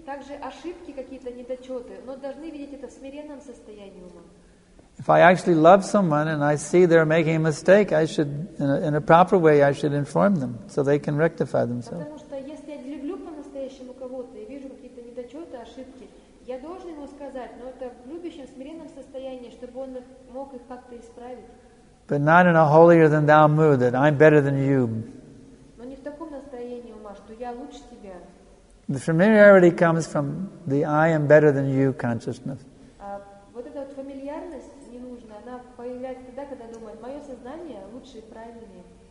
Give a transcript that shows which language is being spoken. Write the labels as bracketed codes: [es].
[ru] также ошибки какие-то, недочеты, но должны видеть это в смиренном состоянии ума. [en] If I actually love someone and I see they're making a mistake, I should, in a proper way, I should inform them so they can rectify themselves. [ru] Потому что если я люблю по-настоящему кого-то и вижу какие-то недочеты, ошибки, я должен ему сказать, но это в любящем, смиренном состоянии, чтобы он мог их как-то исправить. [en] But not in a holier than thou mood that I'm better than you. [ru] Но не в таком настроении ума, что я лучше тебя. [en] The familiarity comes from the I am better than you consciousness. [ru] Вот эта вот фамильярность ненужная, она появляется тогда, когда думает, мое сознание лучше и правильнее.